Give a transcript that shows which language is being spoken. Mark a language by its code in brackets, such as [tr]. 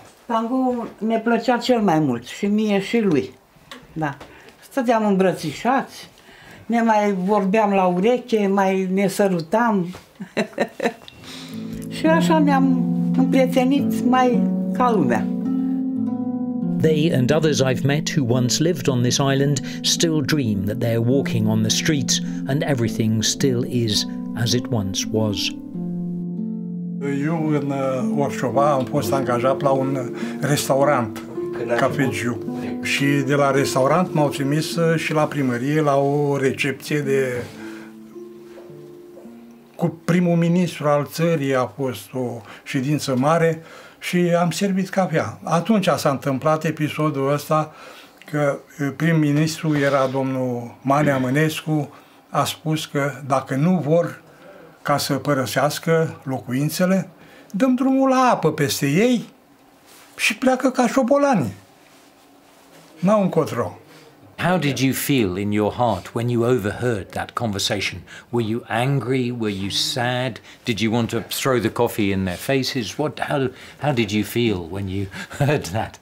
[ro] Tango ne plăcea cel mai mult și mie și lui, da. Stăteam îmbrățișați, ne mai vorbeam la ureche, mai ne sărutam. Și așa ne-am împrietenit mai ca lumea. [en] They and others I've met who once lived on this island still dream that they're walking on the streets and everything still is as it once was. [ro] Eu în Orșova am fost angajat la un restaurant, cafegiu. Și de la restaurant m-au trimis și la primărie, la o recepție de... cu primul ministru al țării, a fost o ședință mare și am servit cafea. Atunci s-a întâmplat episodul ăsta că prim-ministru era domnul Marea Mănescu, a spus că dacă nu vor ca să părăsească locuințele, dăm drumul la apă peste ei și pleacă ca șobolani. N-au încotro. [en] How did you feel in your heart when you overheard that conversation? Were you angry? Were you sad? Did you want to throw the coffee in their faces? What? How did you feel when you heard that?